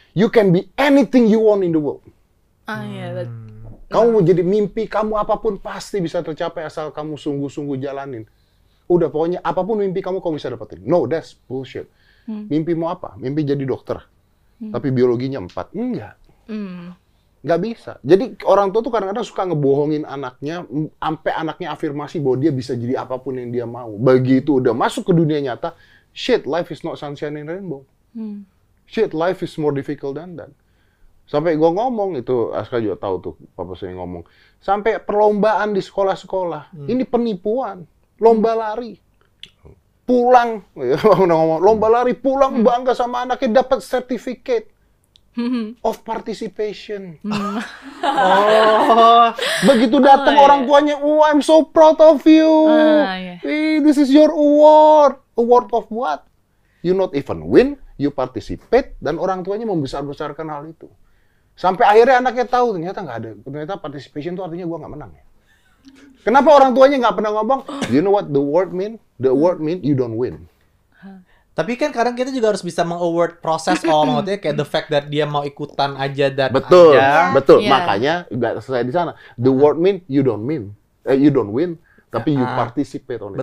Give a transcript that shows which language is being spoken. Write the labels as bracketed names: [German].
[English] You can be anything you want in the world. [Indonesian] Kamu mau jadi mimpi, kamu apapun pasti bisa tercapai asal kamu sungguh-sungguh jalanin. Udah, pokoknya apapun mimpi kamu bisa dapetin. [English] No, that's bullshit. [Indonesian] Mimpi mau apa? Mimpi jadi dokter. Tapi biologinya 4. Enggak. Enggak bisa. Jadi orang tua tuh kadang-kadang suka ngebohongin anaknya, sampai anaknya afirmasi bahwa dia bisa jadi apapun yang dia mau. Begitu udah masuk ke dunia nyata, [English] shit, life is not sunshine and rainbow. Shit, life is more difficult than that. [Indonesian] Sampai gue ngomong, itu Aska juga tahu tuh, papa sering ngomong. Sampai perlombaan di sekolah-sekolah, ini penipuan. Lomba lari. Pulang, udah ngomong, lomba lari, pulang bangga sama anaknya, dapat [English] certificate of participation. [Indonesian] Begitu datang orang tuanya, [English] oh, I'm so proud of you. This is your award. Award of what? You not even win, you participate, [Indonesian] dan orang tuanya membesar-besarkan hal itu. Sampai akhirnya anaknya tahu ternyata nggak ada, ternyata participation itu artinya gue nggak menang. Kenapa orang tuanya nggak pernah ngomong, [English] you know what the word mean? The word mean you don't win. [Indonesian] Tapi kan kadang kita juga harus bisa meng-award proses maksudnya kayak [English] the fact that [Indonesian] dia mau ikutan aja dan betul, aja. Betul, yeah. Makanya nggak selesai di sana. [English] The word mean you don't win, you don't win, [Indonesian] tapi [English] you participate on it.